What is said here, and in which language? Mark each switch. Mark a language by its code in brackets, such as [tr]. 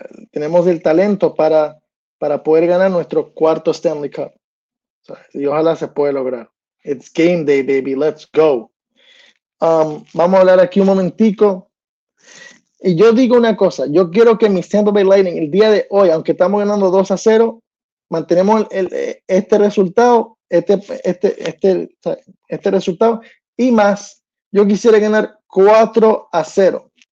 [es] Tenemos el talento para poder ganar nuestro cuarto Stanley Cup, ¿sabes? Y ojalá se pueda lograr. [en] It's game day, baby, let's go. [es] Vamos a hablar aquí un momentico. Y yo digo una cosa, yo quiero que mis Tampa Bay Lightning, el día de hoy, aunque estamos ganando 2-0, mantenemos este resultado. Este resultado y más, yo quisiera ganar 4-0.